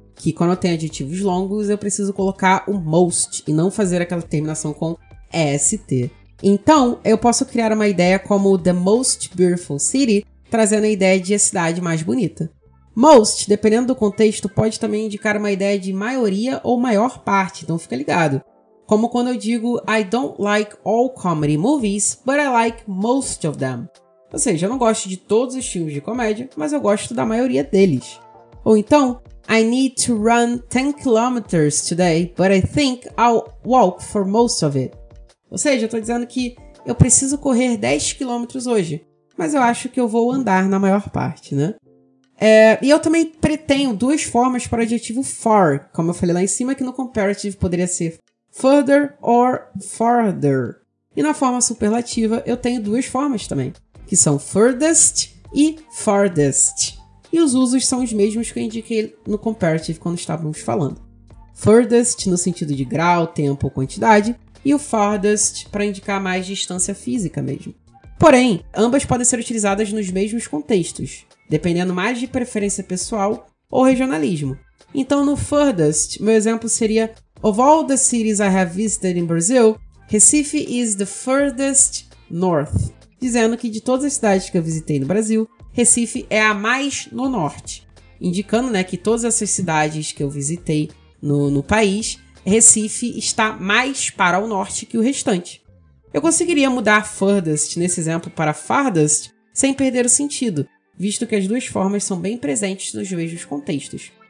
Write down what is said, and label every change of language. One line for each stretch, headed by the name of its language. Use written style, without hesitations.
Portuguese: Que quando eu tenho adjetivos longos, eu preciso colocar o most e não fazer aquela terminação com EST. Então, eu posso criar uma ideia como
English: the most beautiful city,
Portuguese: trazendo a ideia de a cidade mais bonita. Most, dependendo do contexto, pode também indicar uma ideia de maioria ou maior parte, então fica ligado. Como quando eu digo,
English: I don't like all comedy movies, but I like most of them.
Portuguese: Ou seja, eu não gosto de todos os filmes de comédia, mas eu gosto da maioria deles. Ou então,
English: I need to run 10 kilometers today, but I think I'll walk for most of it.
Portuguese: Ou seja, eu tô dizendo que eu preciso correr 10 km hoje, mas eu acho que eu vou andar na maior parte, né? E eu também pretendo duas formas para o adjetivo far, como eu falei lá em cima, que no comparative poderia ser further or farther. E na forma superlativa eu tenho duas formas também, que são furthest e farthest. E os usos são os mesmos que eu indiquei no comparative quando estávamos falando. Furthest no sentido de grau, tempo ou quantidade, e o farthest para indicar mais distância física mesmo. Porém, ambas podem ser utilizadas nos mesmos contextos, dependendo mais de preferência pessoal ou regionalismo. Então, no furthest, meu exemplo seria:
English: of all the cities I have visited in Brazil, Recife is the furthest north.
Portuguese: Dizendo que de todas as cidades que eu visitei no Brasil, Recife é a mais no norte. Indicando, né, que todas essas cidades que eu visitei no país, Recife está mais para o norte que o restante. Eu conseguiria mudar furthest nesse exemplo para farthest sem perder o sentido, visto que as duas formas são bem presentes nos mesmos contextos.